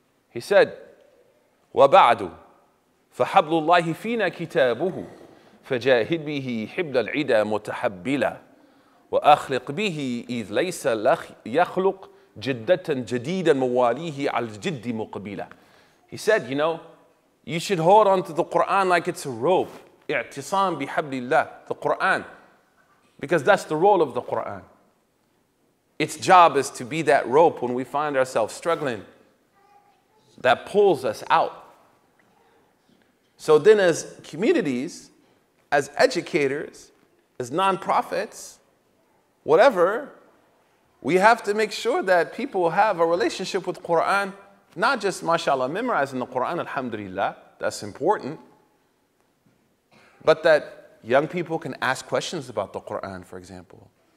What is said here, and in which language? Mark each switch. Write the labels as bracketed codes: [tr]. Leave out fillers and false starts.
[en] He said, [ar] وَبَعْدُ فَحَبْلُ اللَّهِ فِينَا كِتَابُهُ فَجَاهِدْ بِهِ حِبْلَ الْعِدَى مُتَحَبِّلًا وَأَخْلِقْ بِهِ إِذْ لَيْسَ يَخْلُقْ جِدَّةً جَدِيدًا مُوَالِيهِ عَلْ جِدِّ مُقْبِلًا. [en] He said, you know, you should hold on to the Qur'an like it's a rope. [ar] اعتصام بحبل الله, the Qur'an. [en] Because that's the role of the Qur'an. Its job is to be that rope when we find ourselves struggling, that pulls us out. So then as communities, as educators, as nonprofits, whatever, we have to make sure that people have a relationship with Qur'an, not just, mashallah, memorizing the Qur'an, alhamdulillah, that's important, but that young people can ask questions about the Qur'an, for example.